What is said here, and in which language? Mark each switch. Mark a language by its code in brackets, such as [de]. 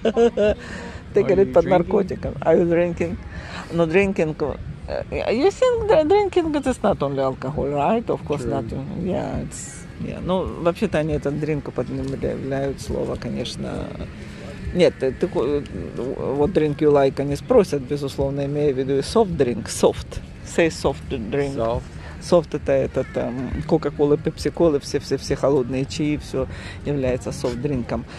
[ru] Ты говорит под наркотиками. [en] Are you drinking? No, drinking. You think drinking is not only alcohol, right? Of course not. Yeah, it's. Yeah. [ru] Ну, вообще-то они этот drink употребляют слово, конечно. Нет, ты вот drink you like они спросят, безусловно, имея в виду soft drink, soft. [en] Say soft drink. Soft. [ru] Soft это Coca-Cola, Pepsi-Cola, все холодные чаи, все является soft drink'ом.